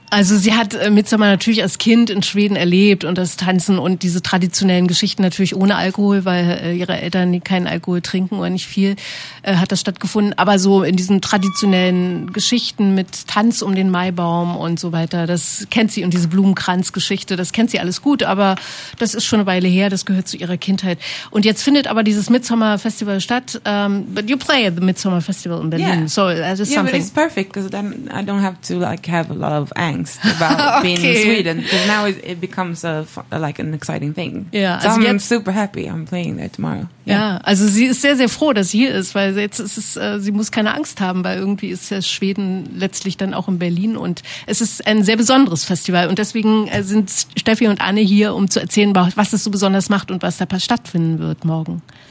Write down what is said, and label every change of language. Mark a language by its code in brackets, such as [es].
[de] Also sie hat Midsommar natürlich als Kind in Schweden erlebt und das Tanzen und diese traditionellen Geschichten natürlich ohne Alkohol, weil ihre Eltern keinen Alkohol trinken oder nicht viel, hat das stattgefunden. Aber so in diesen traditionellen Geschichten mit Tanz um den Maibaum und so weiter, das kennt sie, und diese Blumenkranzgeschichte, das kennt sie alles gut, aber das ist schon eine Weile her, das gehört zu ihrer Kindheit. Und jetzt findet aber dieses Midsommar Festival statt. [en] But you play at the Midsommar Festival in Berlin. Yeah. So that is something. But it's perfect, because then I don't have to like have a lot of angst about being in Sweden, because now it becomes like an exciting thing. Yeah, so also I'm jetzt, super happy I'm playing there tomorrow. [de] Yeah, also sie ist sehr, sehr froh, dass sie hier ist, weil jetzt ist es, sie muss keine Angst haben, weil irgendwie ist ja Schweden letztlich dann auch in Berlin und es ist ein sehr besonderes Festival und deswegen sind Steffi und Anne hier, um zu erzählen, was es so besonders macht und was da stattfinden wird morgen.